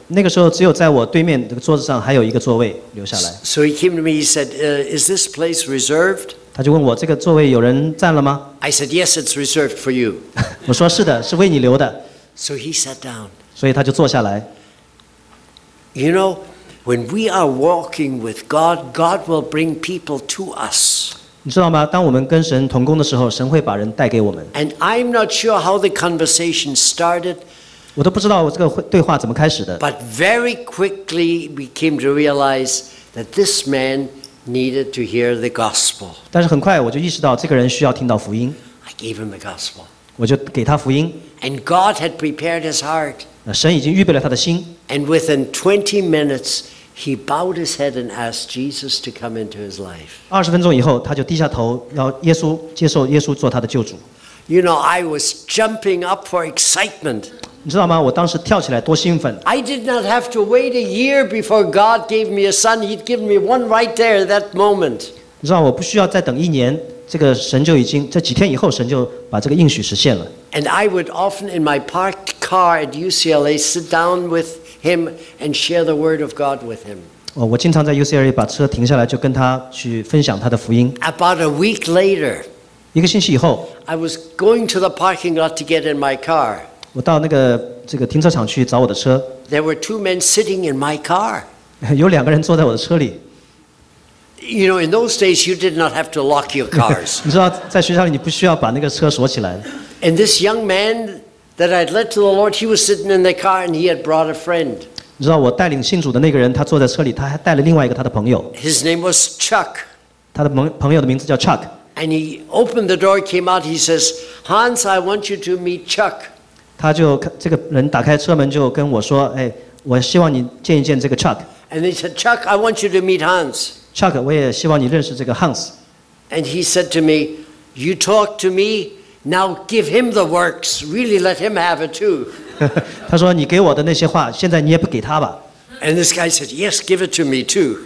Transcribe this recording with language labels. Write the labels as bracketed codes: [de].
[zh] 那个时候只有在我对面这个桌子上还有一个座位留下来。 [en] So he came to me. He said, "Is this place reserved?" [zh] 他就问我这个座位有人占了吗 [en] ？I said, "Yes, it's reserved for you." [zh] 我说是的，是为你留的。 [en] So he sat down。 [zh] 所以他就坐下来。 [en] You know. When we are walking with God, God will bring people to us. [zh] 你知道吗？当我们跟神同工的时候，神会把人带给我们。 [en] And I'm not sure how the conversation started. [zh] 我都不知道我这个对话怎么开始的。 [en] But very quickly we came to realize that this man needed to hear the gospel. [zh] 但是很快我就意识到这个人需要听到福音。 [en] I gave him the gospel. [zh] 我就给他福音。 [en] And God had prepared his heart. [zh] 神已经预备了他的心。 [en] And within 20 minutes, he bowed his head and asked Jesus to come into his life. [zh] 20分钟以后，他就低下头，要耶稣接受耶稣做他的救主。 [en] You know, I was jumping up for excitement. [zh] 你知道吗？我当时跳起来多兴奋。 [en] I did not have to wait a year before God gave me a son. He'd given me one right there at that moment. [zh] 你知道我不需要再等一年，这个神就已经这几天以后，神就把这个应许实现了。 [en] And I would often in my parked car at UCLA sit down with him and share the word of God with him. [zh] 我经常在 UCLA 把车停下来就跟他去分享他的福音。 [en] About a week later, [zh] 一个星期以后 [en] I was going to the parking lot to get in my car. [zh] 我到那个这个停车场去找我的车。 [en] There were two men sitting in my car. [zh] 有两个人坐在我的车里。 [en] You know, in those days, you did not have to lock your cars. [zh] 你知道，在学校里你不需要把那个车锁起来。 [en] And this young man that I'd led to the Lord, he was sitting in the car and he had brought a friend. [zh] 你知道我带领信主的那个人，他坐在车里，他还带了另外一个他的朋友。 [en] His name was Chuck. [zh] 他的朋友的名字叫 Chuck. [en] And he opened the door, came out, he says, Hans, I want you to meet Chuck. [zh] 他就这个人打开车门就跟我说，哎，我希望你见一见这个 Chuck. [en] And he said, Chuck, I want you to meet Hans. [zh] Chuck, 我也希望你认识这个 Hans. [en] And he said to me, you talk to me,Now give him the works. Really let him have it too. [zh] 他说你给我的那些话，现在你也不给他吧。 [en] And this guy said, "Yes, give it to me too."